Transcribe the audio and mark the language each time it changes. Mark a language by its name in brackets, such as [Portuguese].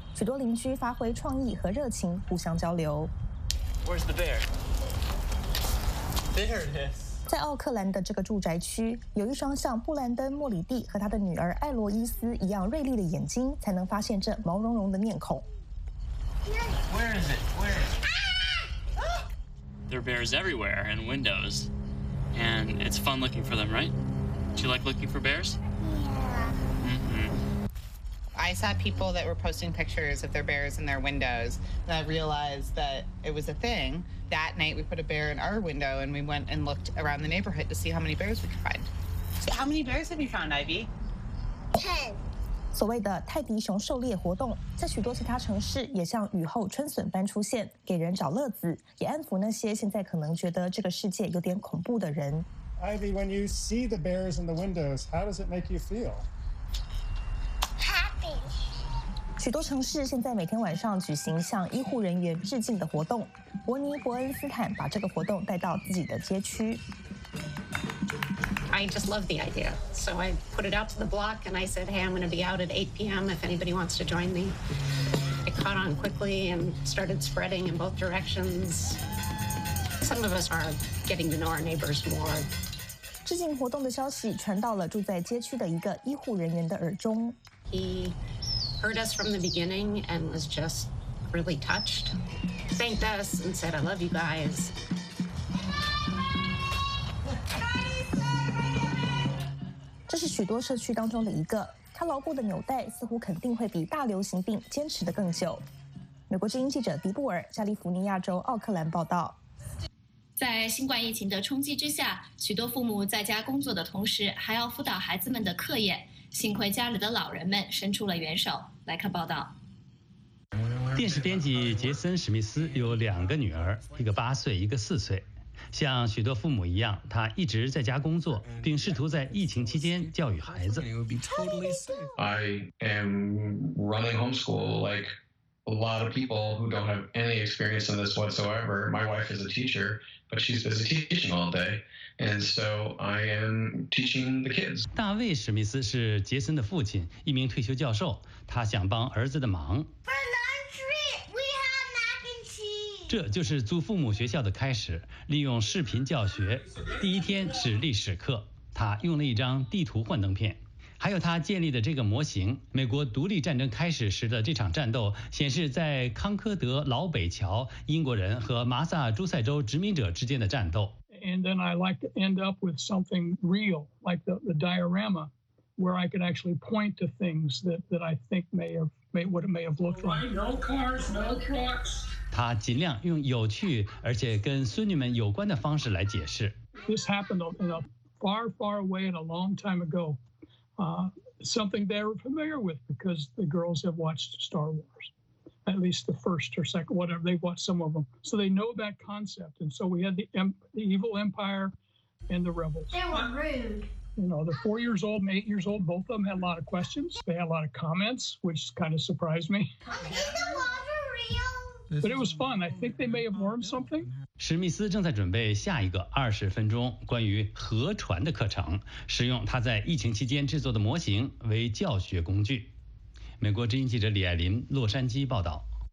[Chinese] 许多邻居发挥创意和热情，互相交流。 [English] Where's the bear? There it is. [Chinese] 在奥克兰的这个住宅区，有一双像布兰登·莫里蒂和他的女儿艾罗伊斯一样锐利的眼睛，才能发现这毛茸茸的面孔。 [English] Where is it? Where? There are bears everywhere and windows, and it's fun looking for them, right? Do you like looking for bears? Yeah. I saw people that were posting pictures of their bears in their windows, and I realized that it was a thing. That night, we put a bear in our window, and we went and looked around the neighborhood to see how many bears we could find. So how many bears have you found, Ivy? 10. [Chinese] 所谓的泰迪熊狩猎活动，在许多其他城市也像雨后春笋般出现，给人找乐子，也安抚那些现在可能觉得这个世界有点恐怖的人。 [English] Ivy, when you see the bears in the windows, how does it make you feel? Happy. [Chinese] 许多城市现在每天晚上举行向医护人员致敬的活动。伯尼伯恩斯坦把这个活动带到自己的街区。 [English] I just love the idea, so I put it out to the block and I said, "Hey, I'm going to be out at 8 p.m. if anybody wants to join me." It caught on quickly and started spreading in both directions. Some of us are getting to know our neighbors more. [Chinese] 致敬活动的消息传到了住在街区的一个医护人员的耳中。 [English] Heard us from the beginning and was just really touched. Thanked us and said, "I love you guys." This is [Chinese] 许多社区当中的一个，它牢固的纽带似乎肯定会比大流行病坚持得更久。美国之音记者迪布尔，加利福尼亚州奥克兰报道。在新冠疫情的冲击之下，许多父母在家工作的同时，还要辅导孩子们的课业。幸亏家里的老人们伸出了援手。来看报道。电视编辑杰森·史密斯有两个女儿，一个8岁，一个4岁。像许多父母一样，他一直在家工作，并试图在疫情期间教育孩子。 [English] I am running homeschool like a lot of people who don't have any experience in this whatsoever. My wife is a teacher, but she's busy teaching all day, and so I am teaching the kids. [Chinese] 大卫·史密斯是杰森的父亲，一名退休教授，他想帮儿子的忙。这就是租父母学校的开始，利用视频教学。第一天是历史课，他用了一张地图幻灯片，还有他建立的这个模型。美国独立战争开始时的这场战斗显示在康科德老北桥英国人和马萨诸塞州殖民者之间的战斗。 [English] And then I like to end up with something real, like the diorama, where I could actually point to things that I think may have looked like. No cars, no trucks. [Chinese] 他尽量用有趣而且跟孙女们有关的方式来解释。 [English] This happened in a far, far away and a long time ago. Something they were familiar with because the girls have watched Star Wars, at least the first or second, whatever, they've watched some of them. So they know that concept. And so we had the evil empire and the rebels. They were rude. You know, they're 4 years old and 8 years old. Both of them had a lot of questions. They had a lot of comments, which kind of surprised me. But it was fun. I think they may have learned something. [Chinese] 史密斯正在准备下一个20分钟关于河船的课程，使用他在疫情期间制作的模型为教学工具。美国之音记者李爱琳，洛杉矶报道。